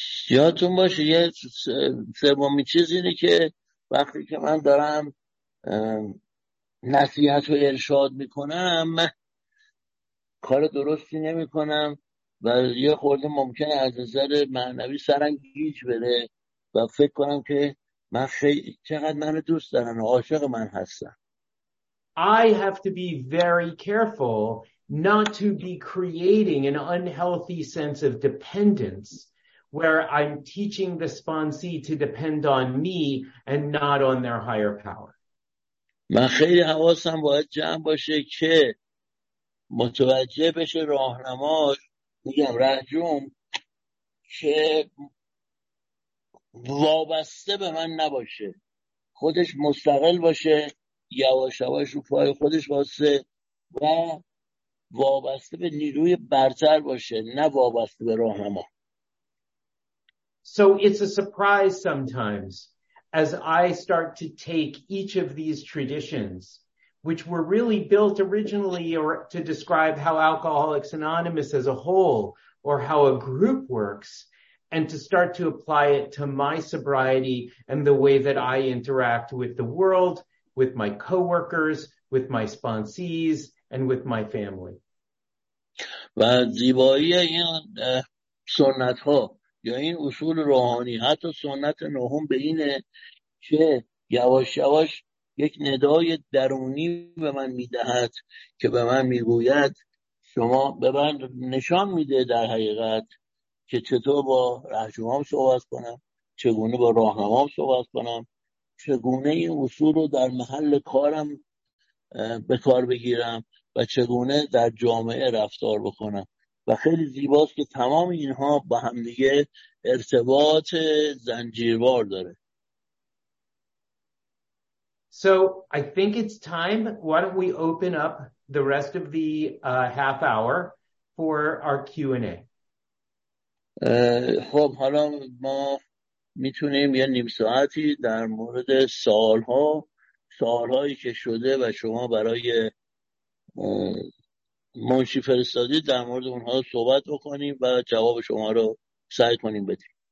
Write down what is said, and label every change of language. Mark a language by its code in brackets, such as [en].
[fa] یادتون باشه یه سومی چیز اینه که وقتی که من دارم نصیحت و ارشاد میکنم، کار درستی نمیکنم و یه خورده ممکنه از نظر معنوی سرنگیج بره و فکر کنم که من خیلی چقدر من دوست دارن و عاشق من هستن. [en] I have to be very careful not to be creating an unhealthy sense of dependence where I'm teaching the sponsee to depend on me and not on their higher power. [fa] من خیلی حواسم باید جمع باشه که متوجه بشه راهنما میگم رهجوم که وابسته به من نباشه، خودش مستقل باشه، یواش یواش رو پای خودش واسه و وابسته به نیروی برتر باشه، نه وابسته به راهنما. [en] So it's a surprise sometimes as I start to take each of these traditions, which were really built originally to describe how Alcoholics Anonymous as a whole or how a group works, and to start to apply it to my sobriety and the way that I interact with the world, with my coworkers, with my sponsees, and with my family. [fa] و زیبایی این سنت ها یا این اصول روحانی، حتی سنت نهم، به اینه که یواش یواش یک ندای درونی به من میدهد که به من میگوید شما، به من نشان میده در حقیقت که چطور با رهجومام صحبت کنم، چگونه با راهنمام صحبت کنم، چگونه این اصول رو در محل کارم به کار بگیرم و چگونه در جامعه رفتار بکنم. و خیلی زیباست که تمام اینها با همدیگه ارتباط زنجیروار داره. [en] So I think it's time. Why don't we open up the rest of the half hour for our Q&A? [fa] خب حالا ما میتونیم یه نیم ساعتی در مورد سوالهایی که شده و شما برای منشی فرستادی در مورد اونها صحبت بکنیم و جواب شما رو سعی کنیم بدیم.